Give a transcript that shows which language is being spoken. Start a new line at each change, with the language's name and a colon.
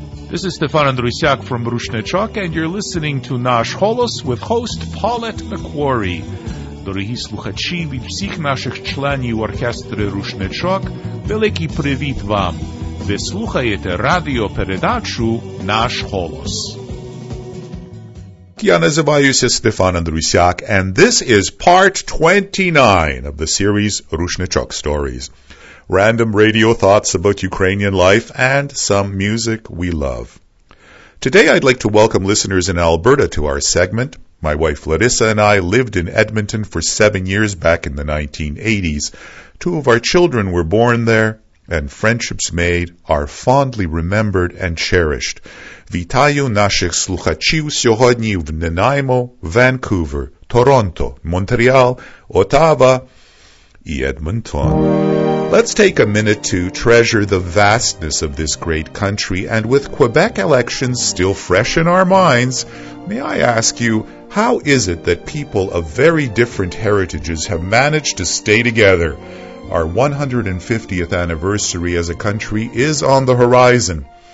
English: This is Stefan Andrusiak from Rushnechok, and you're listening to Nash Holos with host Paulette McQuarrie.
Ukrainian: дорогі слухачі, від всіх наших членів оркестру «Рушничок» великий привіт вам! Ви слухаєте радіопередачу «Наш голос». Я називаюся
English: Стефан Андрусяк, and this is part 29 of the series «Рушничок Stories». Random radio thoughts about Ukrainian life and some music we love. Today I'd like to welcome listeners in Alberta to our segment. My wife Larissa and I lived in Edmonton for 7 years back in the 1980s. Two of our children were born there, and friendships made are fondly remembered and cherished.
Ukrainian: Вітаю наших слухачів сьогодні в Нанаймо, Vancouver, Toronto, Montreal, Ottawa, і Edmonton.
English: Let's take a minute to treasure the vastness of this great country, and with Quebec elections still fresh in our minds, may I ask you, how is it that people of very different heritages have managed to stay together? Our 150th anniversary as a country is on the horizon.